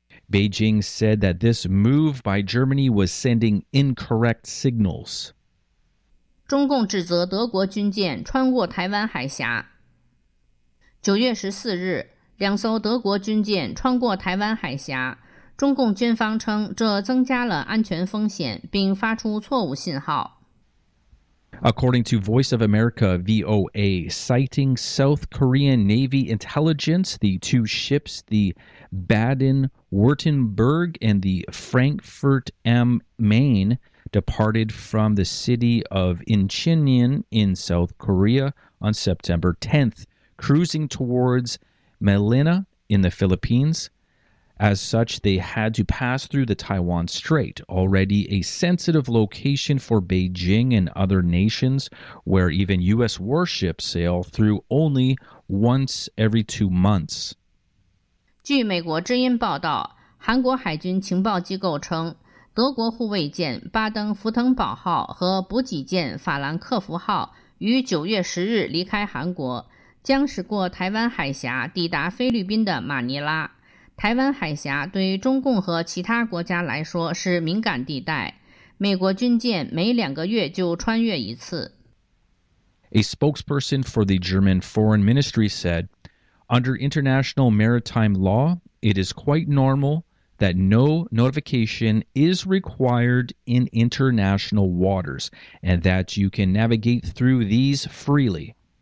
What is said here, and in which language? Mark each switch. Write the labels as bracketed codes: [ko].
[en] Beijing said that this move by Germany was sending incorrect signals. [zh] 中共指责德国军舰穿过台湾海峡。 9月 14日， 两艘德国军舰穿过台湾海峡， 中共军方称这增加了安全风险并发出错误信号。 [en] According to Voice of America, VOA, citing South Korean Navy intelligence, the two ships, the Baden-Württemberg and the Frankfurt am Main, departed from the city of Incheon in South Korea on September 10th, cruising towards Manila in the Philippines. As such, they had to pass through the Taiwan Strait, already a sensitive location for Beijing and other nations, where even U.S. warships sail through only once every 2 months. [zh] 据美国之音报道， 韩国海军情报机构称， 德国护卫舰巴登福腾堡号和补给舰法兰克福号 于9月10日离开韩国， 将驶过台湾海峡抵达菲律宾的马尼拉。台湾海峡对中共和其他国家来说是敏感地带，美国军舰每2个月就穿越一次。 [en] A spokesperson for the German Foreign Ministry said, under international maritime law, it is quite normal that no notification is required in international waters and that you can navigate through these freely.